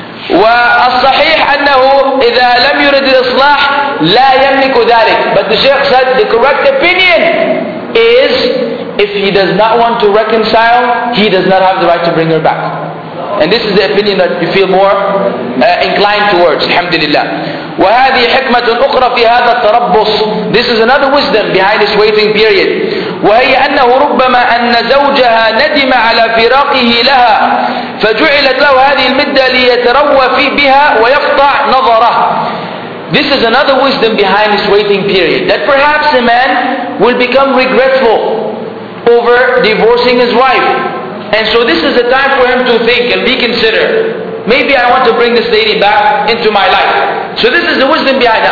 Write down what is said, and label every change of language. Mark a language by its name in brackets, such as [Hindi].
[Arabic] والصحيح أنه إذا لم يرد الإصلاح لا يملك ذلك. [English] But the Sheikh said the correct opinion is if he does not want to reconcile, he does not have the right to bring her back. And this is the opinion that you feel more inclined towards. [Arabic] Alhamdulillah. وهذه حكمة أخرى في هذا التربص. [English] This is another wisdom behind this waiting period. [Arabic] وهي أنه ربما أن زوجها ندم على فراقه لها فجعلت له هذه المدة ليتروى في بها ويقطع نظره. [English] This is another wisdom behind this waiting period, that perhaps a man will become regretful over divorcing his wife, and so this is the time for him to think and reconsider. Maybe I want to bring this lady back into my life. So this is the wisdom behind it.